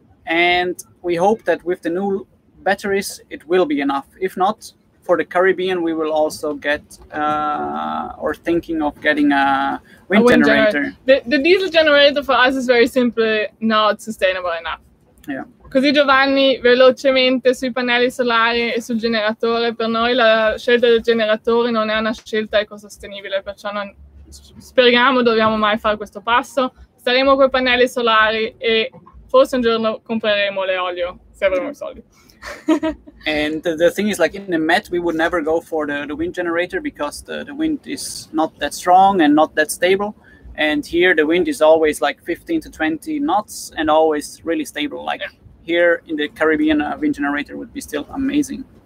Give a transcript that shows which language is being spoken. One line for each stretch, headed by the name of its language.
English: And we hope that with the new batteries, it will be enough. If not, for the Caribbean, we will also get or thinking of getting a wind generator. The diesel generator for us is very simply not sustainable enough. Yeah.
Italian: Così Giovanni, velocemente sui pannelli solari e sul generatore, per noi la scelta del generatore non è una scelta ecosostenibile, perciò non speriamo dobbiamo mai fare questo passo. Staremo con i pannelli solari e forse un giorno compreremo l'olio, se avremo I soldi.
English: And the thing is, like in the Met, we would never go for the wind generator because the wind is not that strong and not that stable. And here the wind is always like 15 to 20 knots and always really stable. Like here in the Caribbean, a wind generator would be still amazing.